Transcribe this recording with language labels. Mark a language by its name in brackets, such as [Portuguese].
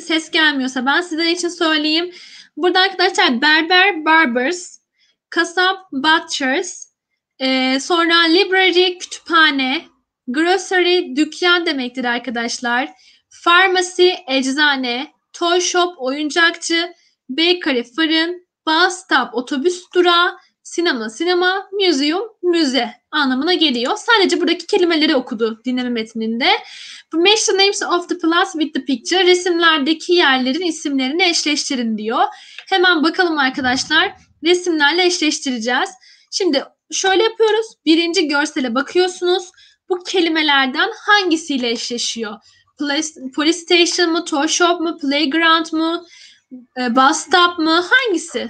[Turkish] Ses gelmiyorsa ben sizler için söyleyeyim. Burada arkadaşlar berber, barbers, kasap, butchers, sonra library, kütüphane, grocery, dükkan demektir arkadaşlar. [English] Pharmacy, [Turkish] eczane, [English] toy shop, [Turkish] oyuncakçı, [English] bakery, [Turkish] fırın, [English] bus stop, [Turkish] otobüs durağı, Sinema, sinema, museum, müze anlamına geliyor. Sadece buradaki kelimeleri okudu dinleme metninde. [English] Match the names of the plants with the picture. [Turkish] Resimlerdeki yerlerin isimlerini eşleştirin diyor. Hemen bakalım arkadaşlar. Resimlerle eşleştireceğiz. Şimdi şöyle yapıyoruz. Birinci görsele bakıyorsunuz. Bu kelimelerden hangisiyle eşleşiyor? [English] Police station mı, toy shop mu, playground mu, bus stop mu, hangisi?